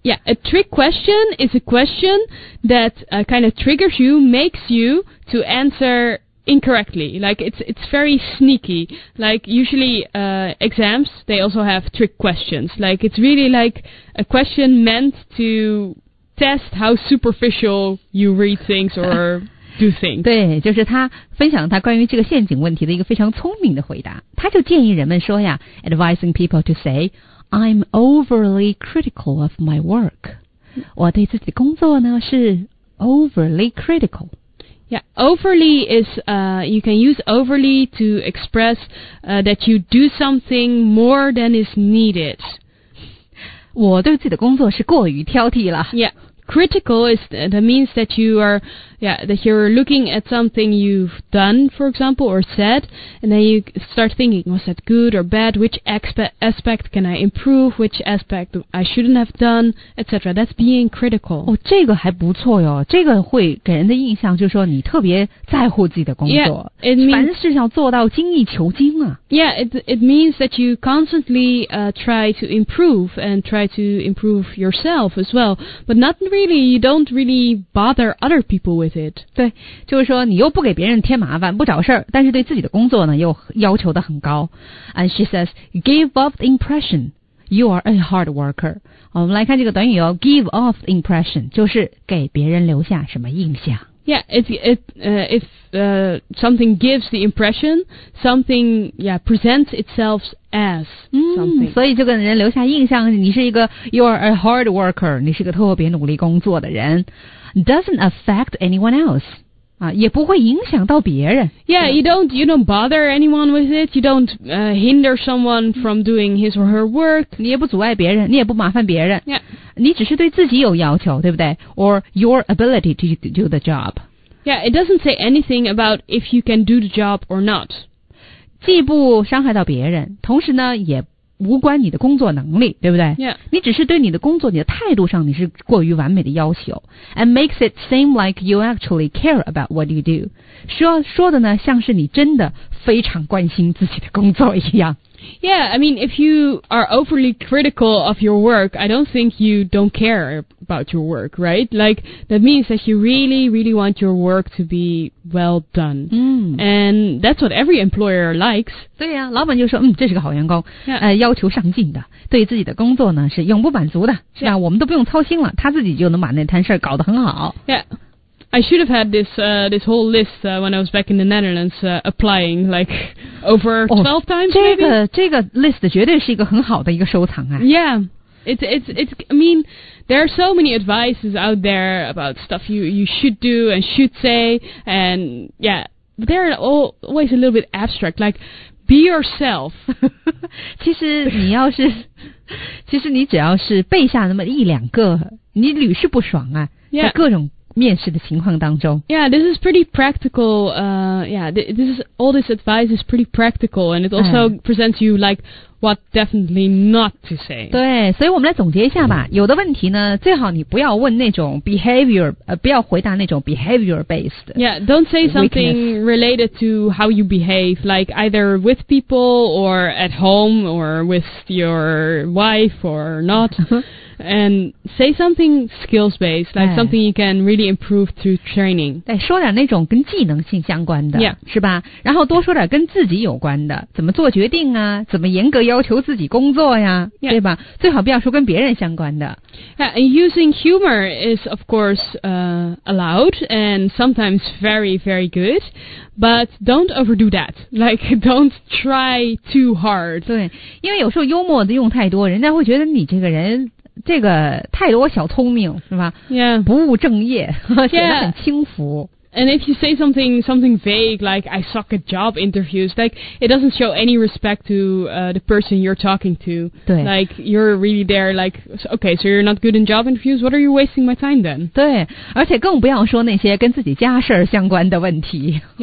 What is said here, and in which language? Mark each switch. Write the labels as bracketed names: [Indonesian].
[English] Yeah, a trick question is a question that kind of triggers you, makes you to answer incorrectly. Like, it's very sneaky. Like, usually exams, they also have trick questions. Like, it's really like a question meant to test how superficial you read things or... Do [Chinese] 对，就是他分享他关于这个陷阱问题的一个非常聪明的回答。他就建议人们说呀 [English] ，advising people to say, "I'm overly critical of my work." [Chinese] 我对自己的工作呢是 [English] overly critical。 Yeah, overly is you can use overly to express that you do something more than is needed. [Chinese] 我对自己的工作是过于挑剔了。 [English] Yeah. Critical is that means that you are, yeah, that you're looking at something you've done, for example, or said, and then you start thinking, was that good or bad? Which aspect can I improve? Which aspect I shouldn't have done, etc. That's being critical. [Chinese] Oh, 这个还不错哟，这个会给人的印象就是说你特别在乎自己的工作。 [English] Yeah, means, [Chinese] 凡事想做到精益求精啊。 [English] Yeah, it means that you constantly try to improve and try to improve yourself as well, but not. Really, you don't really bother other people with it. [Chinese] 对，就是说你又不给别人添麻烦，不找事儿，但是对自己的工作呢又要求的很高。 [English] And she says, "Give off the impression you are a hard worker." [Chinese] 我们来看这个短语哦 ， [English] "give off the impression" [Chinese] 就是给别人留下什么印象 [English] ？Yeah, if something gives the impression, something yeah presents itself. As something. [Chinese] 所以就给人留下印象你是一个 [English] You are a hard worker [Chinese] 你是个特别努力工作的人 [English] Doesn't affect anyone else、 [Chinese] 也不会影响到别人 [English] Yeah, you don't bother anyone with it You don't hinder someone from doing his or her work [Chinese] 你也不阻碍别人你也不麻烦别人、 [English] yeah. [Chinese] 你只是对自己有要求对不对 [English] Or your ability to do the job Yeah, it doesn't say anything about if you can do the job or not [Chinese] 既不伤害到别人同时呢也无关你的工作能力对不对、 [English] yeah. [Chinese] 你只是对你的工作你的态度上你是过于完美的要求 [English] and makes it seem like you actually care about what you do [Chinese] 说的呢像是你真的非常关心自己的工作一样 [English] Yeah, I mean if you are overly critical of your work I don't think you don't care about your work, right? Like that means that you really, really want your work to be well done. And that's what every employer likes. [Chinese] 对呀、啊，老板就说，这是个好员工， [English] yeah. [Chinese] 要求上进的，对自己的工作呢是永不满足的，是吧？ [English] Yeah. [Chinese] 我们都不用操心了，他自己就能把那摊事儿搞得很好。 [English] Yeah. I should have had this, this whole list, when I was back in the Netherlands, applying, like, over 12 times, maybe? [Chinese] 这个 list 绝对是一个很好的一个收藏啊。 [English] Yeah. It's, I mean, there are so many advices out there about stuff you should do and should say, and, yeah, they're always a little bit abstract, like, be yourself. [Chinese] 其实你只要是背下那么一两个,你屡试不爽啊。 [English] Yeah. [Chinese] 在各种面试的情况当中 [English] Yeah, this is pretty practical all this advice is pretty practical and it also presents you like what definitely not to say [Chinese] 对所以我们来总结一下吧、有的问题呢最好你不要问那种 behavior、不要回答那种 [English] behavior based Yeah, don't say something、 weakness. Related to how you behave like either with people or at home or with your wife or not And say something skills-based, like something you can really improve through training. [Chinese] 对，说点那种跟技能性相关的， [English] yeah. [Chinese] 是吧？然后多说点跟自己有关的，怎么做决定啊？怎么严格要求自己工作呀？ [English] Yeah. [Chinese] 对吧？最好不要说跟别人相关的。 [English] Yeah, and using humor is, of course, allowed and sometimes very, very good. But don't overdo that. Like, don't try too hard. [Chinese] 对，因为有时候幽默的用太多，人家会觉得你这个人。这个太多小聪明是吧 [English] yeah. [Chinese] 不务正业显得很轻浮 [English] yeah. And if you say something vague, like, I suck at job interviews, like, it doesn't show any respect to the person you're talking to. Like, you're really there, like, okay, so you're not good in job interviews, what are you wasting my time then? [Chinese] 对，而且更不要说那些跟自己家事儿相关的问题。